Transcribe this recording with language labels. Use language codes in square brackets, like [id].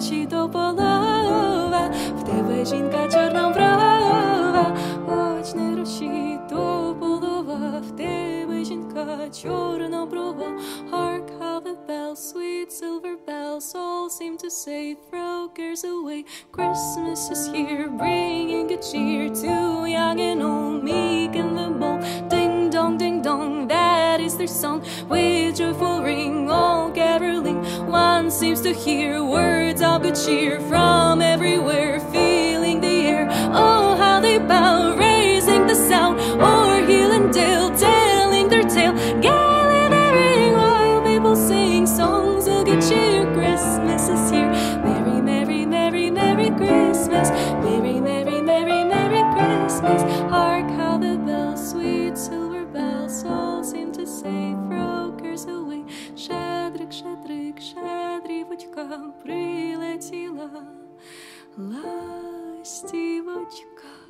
[uk] То полова, в тебе жінка чорна вбрава, хоч не гроші, то полова, в тебе жінка чорна вбрава. [en] Hark how the bells, sweet silver bells, all seem to say, throw cares away. Christmas is here, bringing good cheer to young and old, meek and the bold. Ding dong, ding dong, that is their song, with joyful ring, all caroling. One seems to hear words of good cheer from everywhere, filling the air. Oh, how they bow, raising the sound, o'er hill and dale, telling their tale, gaily bearing, while people sing songs of good cheer. Christmas is here, merry, merry, merry, merry Christmas, merry, merry, merry, merry Christmas. Hark how the bells, sweet silver bells, all seem to say, throw cares away. [uk] Щедрик, щедрик, щедрівочка, прилетіла ластівочка.